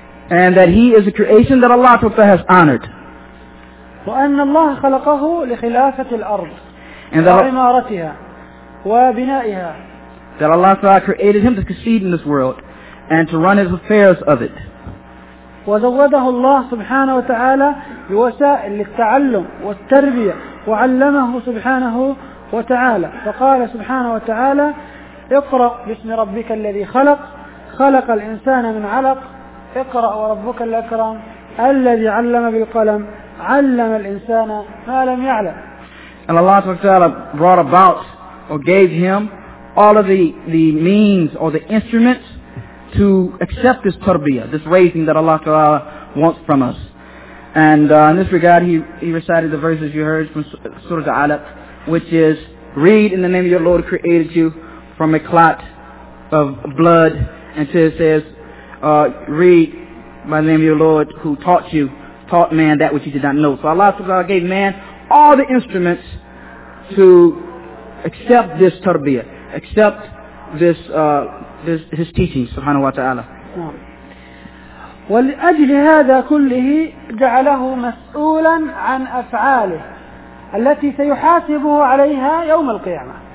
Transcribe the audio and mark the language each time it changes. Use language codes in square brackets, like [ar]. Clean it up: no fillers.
[en] And that he is a creation that Allah Ta'ala has honored. [ar] وأن الله خلقه لخلافة الأرض وعمارتها وبنائها. [en] That Allah Ta'ala created him to succeed in this world and to run his affairs of it. [ar] وزوده الله سبحانه وتعالى بوسائل للتعلم والتربية وعلمه سبحانه وتعالى. فقال سبحانه وتعالى اقرأ باسم ربك الذي خلق خلق الإنسان من علق اقرأ وربك الأكرم الذي علم بالقلم علم الإنسان ما لم يعلم. [en] And Allah Ta'ala brought about or gave him all of the means or the instruments to accept this tarbiyah, this raising that Allah Ta'ala wants from us. And in this regard, he recited the verses you heard from Surah Al-Alaq, which is, read in the name of your Lord who created you from a clot of blood, and it says, read by the name of your Lord who taught man that which he did not know. So Allah Ta'ala gave man all the instruments to accept this tarbiyah, accept this his teaching, subhanahu wa ta'ala. [ar] ولأجل هذا كله جعله مسؤولا عن أفعاله التي سيحاسبه عليها يوم القيامة.